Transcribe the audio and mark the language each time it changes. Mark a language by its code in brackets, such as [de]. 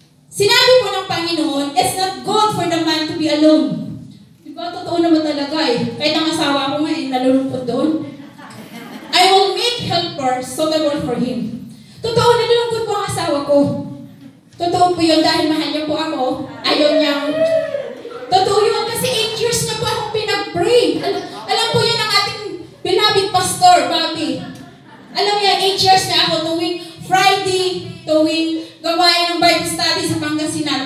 [tl] Sinabi po ng Panginoon, [en] it's not good for the man to be alone. [tl] Di ba, totoo naman talaga eh. Kahit ang asawa ko nga, nalulungkot doon. [en] I will make helper suitable for him. [tl] Totoo, nalulungkot po ang asawa ko. Totoo po yun dahil mahal niya po ako. Ayaw niya. Totoo yun kasi 8 years na po akong pinag-pray. Alam po yun ang ating binabit pastor, Bobby. Alam niya, 8 years na ako tuwing Friday, tuwing gawain ng Bible study sa Pangasinan.